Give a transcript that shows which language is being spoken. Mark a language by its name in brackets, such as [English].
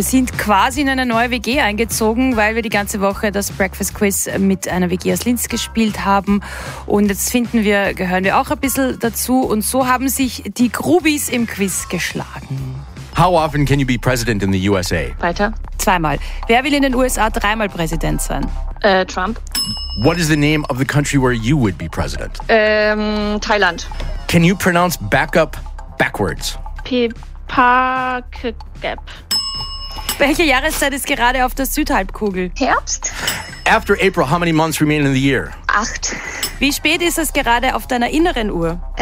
[German] Wir sind quasi in eine neue WG eingezogen, weil wir die ganze Woche das Breakfast Quiz mit einer WG aus Linz gespielt haben. Und jetzt finden wir, gehören wir auch ein bisschen dazu. Und so haben sich die Grubis im Quiz geschlagen. [English] How often can you be president in the USA? [German] Weiter. Zweimal. Wer will in den USA dreimal Präsident sein? Trump. [English] What is the name of the country where you would be president? Thailand. Can you pronounce backup backwards? Park-Gap. [German] Welche Jahreszeit ist gerade auf der Südhalbkugel? Herbst. [English] After April, how many months remain in the year? 8. [German] Wie spät ist es gerade auf deiner inneren Uhr?